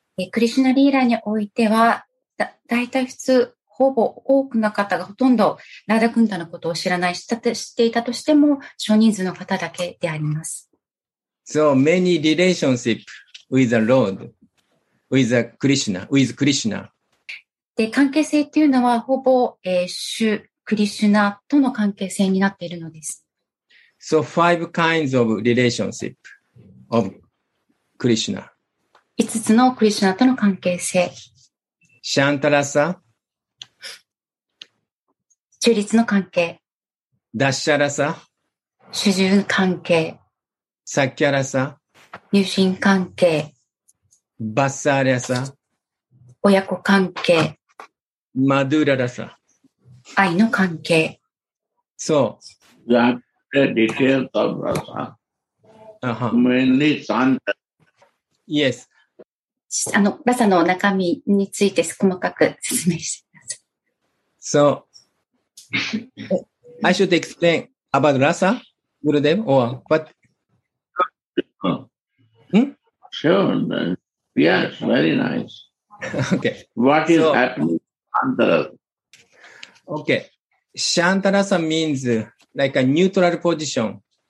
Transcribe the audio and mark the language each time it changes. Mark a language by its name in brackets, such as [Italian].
[Japanese] クリシュナリーラにおいては、だいたい普通、ほぼ多くの方がほとんどRadha Kundaのことを知らない、知っていたとしても、少人数の方だけであります。 [English] So many relationships with the Lord, with the Krishna, with Krishna. [Japanese] で、関係性というのは、ほぼ、種、クリシュナとの関係性になっているのです。 [English] So five kinds of relationship of Krishna. [Japanese] 5つのクリシュナとの関係性。シャンタラサ。中立の関係。ダッシャラサ。主従関係。サッキャラサ。友人関係。バッサーリャサ。親子関係。マドゥーララサ。愛の関係。そう。 [English] The details of rasa. Mainly santa. Yes. [Japanese] ラサの中身について細かく説明してください。 [English] So, I should explain about rasa, Gurudev, or what? Sure. Yes, very nice. Okay. What is happening santa? Okay. Shantarasa means like a neutral position.